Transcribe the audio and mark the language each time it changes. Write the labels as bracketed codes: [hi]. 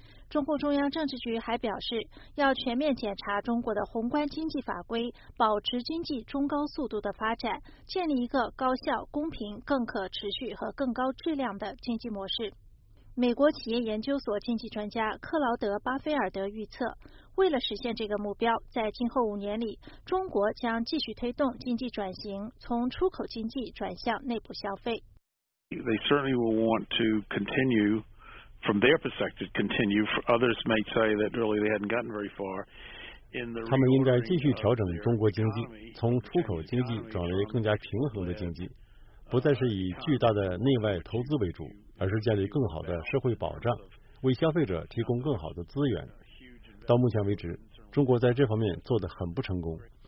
[zh] 中共中央政治局还表示，要全面检查中国的宏观经济法规，保持经济中高速度的发展，建立一个高效、公平、更可持续和更高质量的经济模式。美国企业研究所经济专家克劳德·巴菲尔德预测，为了实现这个目标，在今后五年里，中国将继续推动经济转型，从出口经济转向内部消费。 [en] They certainly will want to continue. From their perspective, continue. Others may say that really they hadn't gotten very far. [zh] 他们应该继续调整中国经济，从出口经济转为更加平衡的经济，不再是以巨大的内外投资为主，而是建立更好的社会保障，为消费者提供更好的资源。到目前为止，中国在这方面做得很不成功。